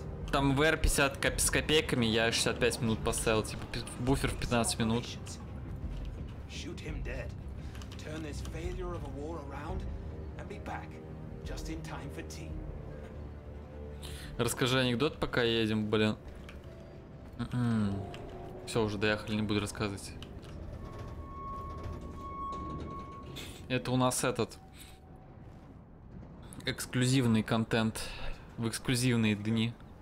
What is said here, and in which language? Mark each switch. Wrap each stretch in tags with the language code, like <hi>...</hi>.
<ru>Там VR 50 с копейками, я 65 минут поставил, типа буфер в 15 минут.</ru> <en>Shoot him dead. Turn this failure of a war around and be back just in time for tea.</en> <ru>Расскажи анекдот, пока едем, блин. Все, уже доехали, не буду рассказывать. Это у нас этот эксклюзивный контент в эксклюзивные дни.</ru>